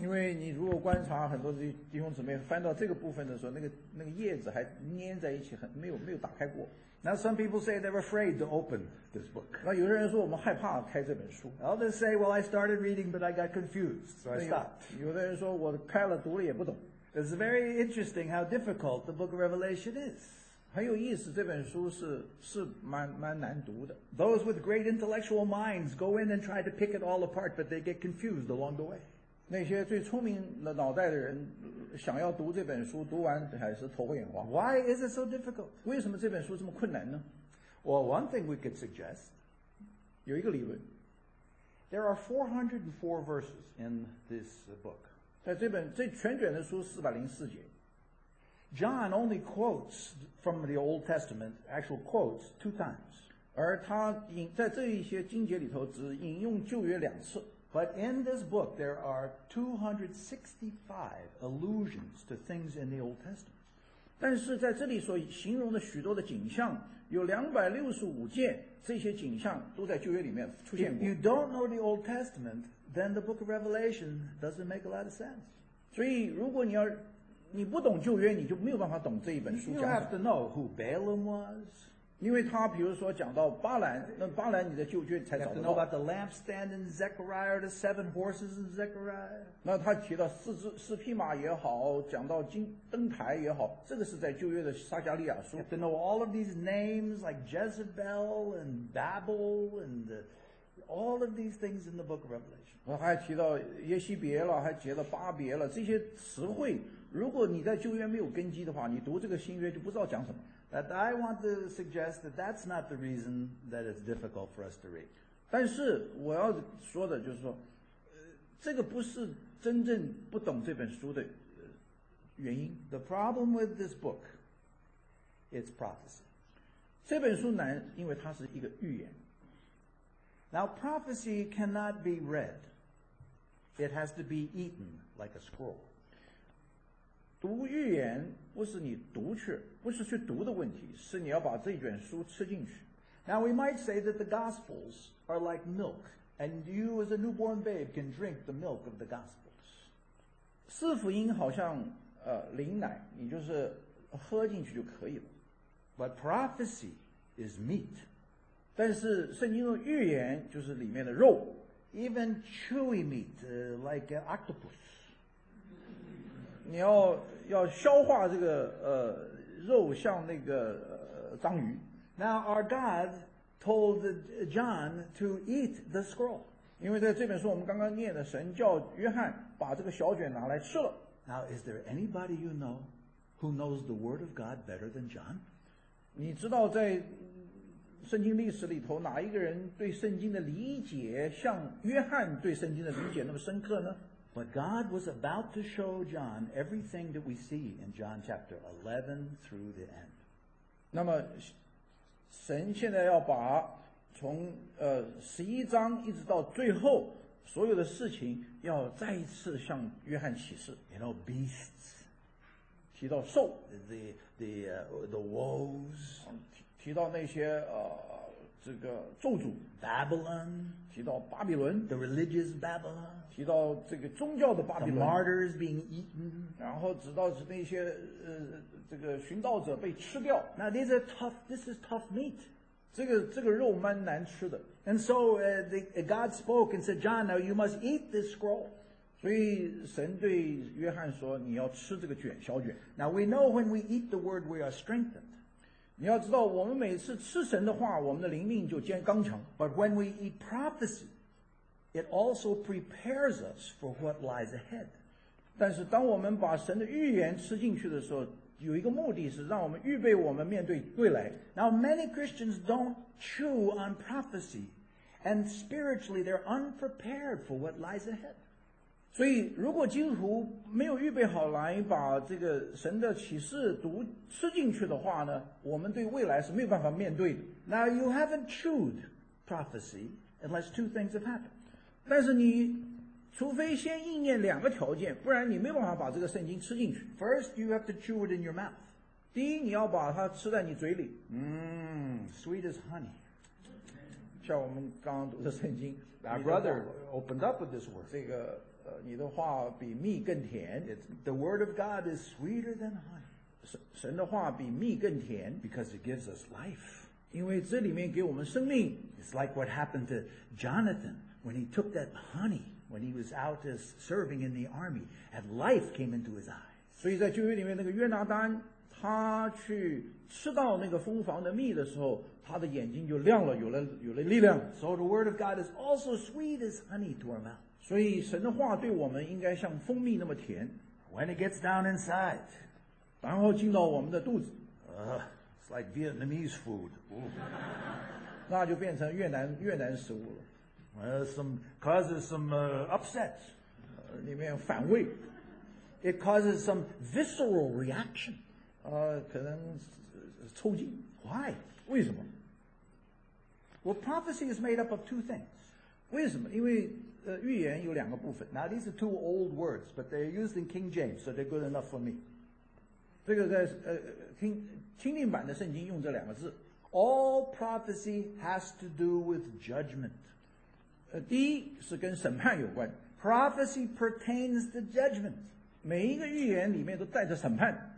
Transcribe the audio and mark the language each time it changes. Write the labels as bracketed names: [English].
[Chinese] 因为你如果观察很多弟兄姊妹翻到这个部分的时候，那个页子还粘在一起，没有打开过。 [English] Now some people say they're afraid to open this book. [Chinese] 那有些人说我们害怕开这本书。 [English] Others say, well, I started reading, but I got confused, so I stopped. [Chinese] 有的人说我开了读了也不懂。 [English] It's very interesting how difficult the book of Revelation is. [Chinese] 很有意思，这本书是蛮难读的。 [English] Those with great intellectual minds go in and try to pick it all apart, but they get confused along the way. [Chinese] 那些最聪明的脑袋的人想要读这本书，读完还是头昏眼花。 [English] Why is it so difficult? [Chinese] 为什么这本书这么困难呢？ [English] Well, one thing we could suggest. [Chinese] 有一个理论。 [English] There are 404 verses in this book. [Chinese] 在这全卷的书404节 [English] John only quotes from the Old Testament actual quotes two times. [Chinese] 而他在这一些经节里头只引用旧约两次。 [English] But in this book there are 265 allusions to things in the Old Testament. [Chinese] 但是在这里所形容的许多的景象有265件，这些景象都在旧约里面出现过。 [English] If you don't know the Old Testament,then the book of Revelation doesn't make a lot of sense. [Chinese] 所以如果你不懂旧约，你就没有办法懂这一本书讲什么。 [English] You have to know who Balaam was. [Chinese] 因为他比如说讲到巴兰，那巴兰你在旧约才找得到。 [English] You have to know about the lampstand in Zechariah, the seven horses in Zechariah. [Chinese] 那他提到四匹马也好，讲到灯台也好，这个是在旧约的撒迦利亚书。 [English] You have to know all of these names like Jezebel and Babel and all of these things in the book of Revelation. [Chinese] 我还提到耶西别了，还提到巴别了，这些词汇如果你在旧约没有根基的话，你读这个新约就不知道讲什么。 [English] But I want to suggest that that's not the reason that it's difficult for us to read. [Chinese] 但是我要说的就是说，这个不是真正不懂这本书的原因。 [English] The problem with this book, it's prophecy. [Chinese] 这本书难，因为它是一个预言。 [English] Now prophecy cannot be read. It has to be eaten like a scroll. [Chinese] 读预言不是你读去，不是去读的问题，是你要把这卷书吃进去。 [English] Now we might say that the Gospels are like milk, and you as a newborn babe can drink the milk of the Gospels. [Chinese] 四福音好像灵奶，你就是喝进去就可以了。 [English] But prophecy is meat. [Chinese] 但是圣经的预言就是里面的肉 [English] ，even chewy meat like an octopus。 [Chinese] 你要消化这个肉，像那个章鱼。 [English] Now our God told John to eat the scroll。 [Chinese] 因为在这本书我们刚刚念的，神叫约翰把这个小卷拿来吃了。 [English] Now is there anybody you know who knows the word of God better than John？ [Chinese] 你知道在圣经历史里头哪一个人对圣经的理解像约翰对圣经的理解那么深刻呢？ [English] But God was about to show John everything that we see in John chapter 11 through the end. [Chinese] 那么神现在要把从11章一直到最后所有的事情要再一次向约翰启示。 [English] You know, beasts, [Chinese] 提到兽 [English] the wolves, [Chinese] 提到那些这个咒诅 [English] Babylon, [Chinese] 提到巴比伦 [English] the religious Babylon, [Chinese] 提到这个宗教的巴比伦 [English] the martyrs being eaten, [Chinese] 然后直到那些这个寻道者被吃掉 [English] Now these are tough, this is tough meat. [Chinese] 这个肉蛮难吃的。 [English] And so, God spoke and said, John, now you must eat this scroll. [Chinese] 所以神对约翰说你要吃这个卷小卷。 [English] Now we know when we eat the word, we are strengthened. [Chinese] 你要知道我们每次吃神的话我们的灵命就坚刚强。 [English] But when we eat prophecy, it also prepares us for what lies ahead. [Chinese] 但是当我们把神的预言吃进去的时候有一个目的是让我们预备我们面对未来。 [English] Now many Christians don't chew on prophecy, and spiritually they're unprepared for what lies ahead. [Chinese] 所以如果基督徒没有预备好来把这个神的启示读吃进去的话呢，我们对未来是没有办法面对的。 [English] Now you haven't chewed prophecy unless two things have happened. [Chinese] 但是你除非先应验两个条件，不然你没办法把这个圣经吃进去。 [English] First, you have to chew it in your mouth. [Chinese] 第一，你要把它吃在你嘴里。 [English] Sweet as honey. [Chinese] 像我们刚读的圣经 [English] ，My brother opened up with this word. [Chinese] 这个你的话比蜜更甜。 [English] The word of God is sweeter than honey. [Chinese] 神的话比蜜更甜 [English] ，because it gives us life. [Chinese] 因为这里面给我们生命。 [English] It's like what happened to Jonathan when he took that honey. When he was out as serving in the army, and life came into his eyes. [Chinese] 所以在旧约里面，那个约拿单，他去吃到那个蜂房的蜜的时候，他的眼睛就亮了，有了力量。 [English] So the word of God is also sweet as honey to our mouth. [Chinese] 所以神的话对我们应该像蜂蜜那么甜。 [English] When it gets down inside, [Chinese] 然后进到我们的肚子。 [English] It's like Vietnamese food. [Chinese] 那就变成越南食物了。 [English] causes some upset, [Chinese] 里面反胃 [English] it causes some visceral reaction, [Chinese] 可能抽筋 [English] why? [Chinese] 为什么 [English] well, prophecy is made up of two things. [Chinese] 为什么因为预言有两个部分 [English] now these are two old words, but they're used in King James, so they're good enough for me. [Chinese] 这个在听听版的圣经用这两个字 [English] all prophecy has to do with judgment. [Chinese] 第一是跟审判有关 [English] Prophecy pertains to judgment [Chinese] 每一个预言里面都带着审判